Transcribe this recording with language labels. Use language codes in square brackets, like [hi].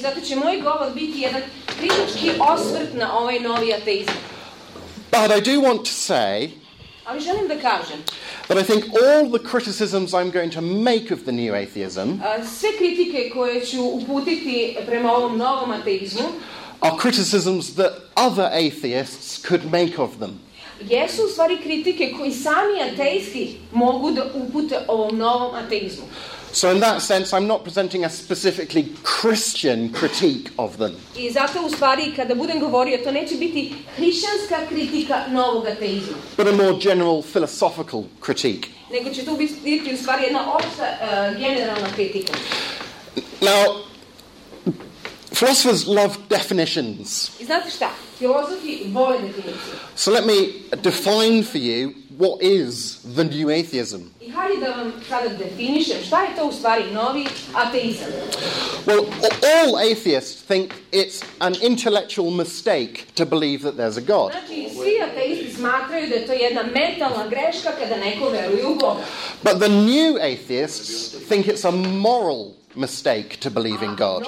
[en] But I do want to say that I think all the criticisms I'm going to make of the new atheism are criticisms that other atheists could make of them. [sr] Jesu u stvari kritike koji sami ateisti mogu da upute ovom novom ateizmu. [en] So in that sense, I'm not presenting a specifically Christian critique of them. [sr] I zato u stvari kada budem govorio, to neće biti hrišćanska kritika novog ateizma. [en] But a more general philosophical critique. [sr] Nego će to biti u stvari jedna opšta generalna kritika. [en] Now, philosophers love definitions. [sr] Znate šta? Filozofi vole definicije. [en] So let me define for you what is the new atheism. [sr] I hajde da vam sada definišem šta je to u stvari novi ateizam. [en] Well, all atheists think it's an intellectual mistake to believe that there's a God. [sr] Znači, svi ateisti smatraju da je to jedna mentalna greška kada neko veruje u Boga. [en] But the new atheists think it's a moral mistake to believe in God.